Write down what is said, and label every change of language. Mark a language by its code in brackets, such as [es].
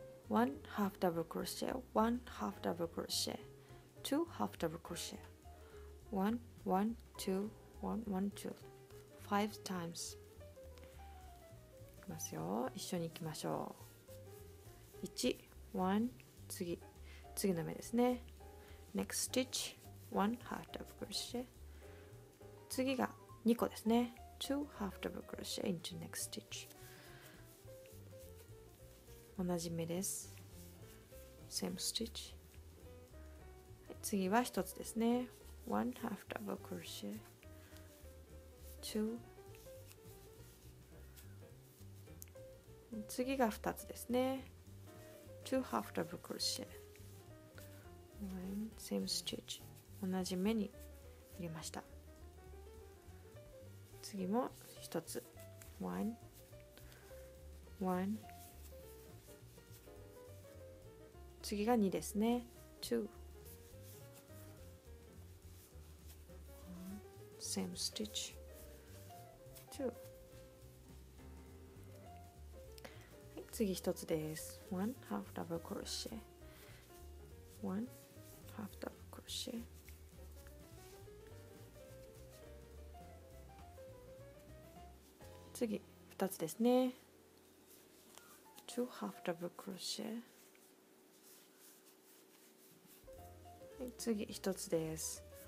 [en] 1 half double crochet 1 half double crochet 2 half double crochet 1 1 2 1 1 2 5 times。 [ja] いきますよ、一緒にいきましょう。 [en] 1 1 [ja] 次の目ですね、 [en] next stitch 1 half double crochet、 [ja] 次が2個ですね、 [en] 2 half double crochet into next stitch。 [ja] 同じ目です。 [en] Same stitch。 [ja] 次は一つですね。 [en] One half double crochet。 Two。 [ja] 次が二つですね。 [en] Two half double crochet。 One same stitch。 [ja] 同じ目に入れました。次も一つ。 [en] One。 [ja] One。次が2ですね。 [en] 2 same stitch 2、 [ja] はい、次1つです。 [en] 1 half double crochet 1 half double crochet [ja] 次2つですね。 [en] 2 half double crochet [ja] 次一つです。